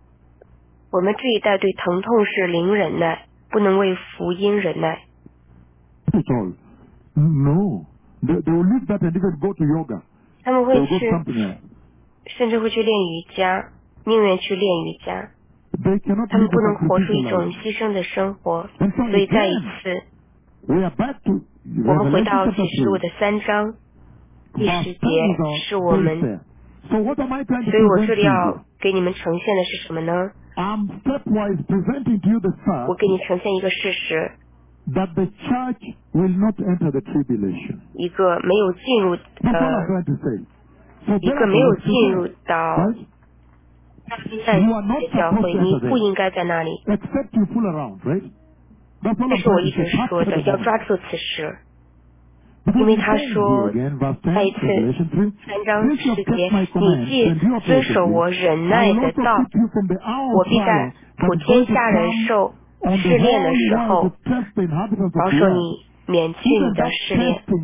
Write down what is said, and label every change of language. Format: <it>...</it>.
<zh>所有足够的理由现在就预备，朋友们，因为现在你可以很好的敬拜进入荣耀中，我们这一代疼痛是零容忍的，不能为福音忍耐。不能为福音忍耐。</zh> <en>That's all. No, they will leave that and even go to yoga.</en> <zh>他们会去，甚至会去练瑜伽，宁愿去练瑜伽。</zh> <en>They cannot.</en> <zh>他们不能活出一种牺牲的生活。所以再一次，我们回到启示录的三章第十节，是我们。所以我这里要给你们呈现的是什么呢？</zh> <en>I'm stepwise presenting to you the fact.</en> <zh>我给你呈现一个事实。</zh> <en>That the church will not enter the tribulation.</en> <zh>一个没有进入一个没有进入到在教会，你不应该在那里。</zh> <en>Except you fool around, right? That's all.</en> <zh>这是我一直说的，要抓住此时。因为他说，再一次，三章十节，你既遵守我忍耐的道，我必在普天下人受试炼的时候，保守你免去你的试炼。</zh>